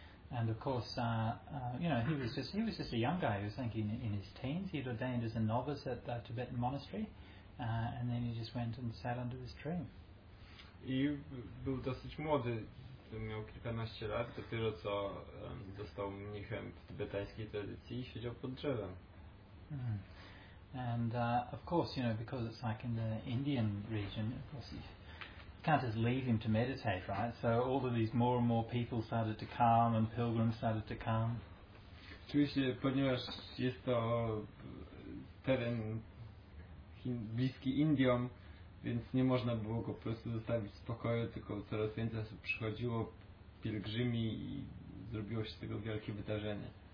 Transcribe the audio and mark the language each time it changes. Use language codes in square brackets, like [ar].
[en] And of course, you know, he was just a young guy. He was thinking in his teens. He had ordained as a novice at the Tibetan monastery, and then he just went and sat under this tree. [pl] I był dosyć młody, miał kilkanaście lat, dopiero co został mnichem w tybetańskiej tradycji i siedział pod drzewem. Mm. [en] And of course, you know, because it's like in the Indian region, of course, you can't just leave him to meditate, right? So all of these more and more people started to come and pilgrims started to come. [pl] Oczywiście, ponieważ jest to teren bliski Indiom, więc nie można było go po prostu zostawić w spokoju, tylko coraz więcej osób przychodziło, pielgrzymi i zrobiło się z tego wielkie wydarzenie.